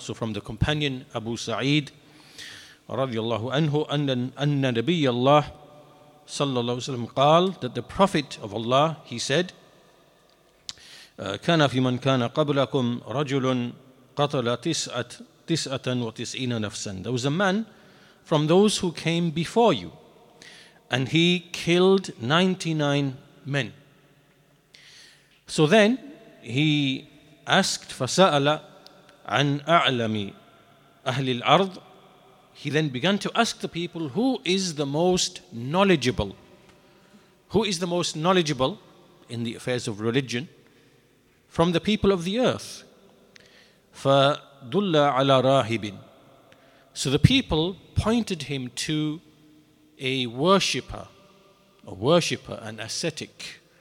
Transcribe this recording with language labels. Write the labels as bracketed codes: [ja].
[en] So from the companion Abu Sa'id radiallahu anhu, [ar] anna Nabi Allah sallallahu alayhi wa sallam qal, [en] that the Prophet of Allah, he said, [ar] كان في من كان قبلكم رجل قتل تسعة وتسعين نفسا. [en] There was a man from those who came before you, and he killed 99 men. So then he asked, [ar] فسأل عن أعلم أهل الأرض. [en] He then began to ask the people, who is the most knowledgeable? Who is the most knowledgeable in the affairs of religion from the people of the earth? [ar] فَدُلَّ عَلَى رَاهِبٍ. [en] So the people pointed him to a worshipper, an ascetic.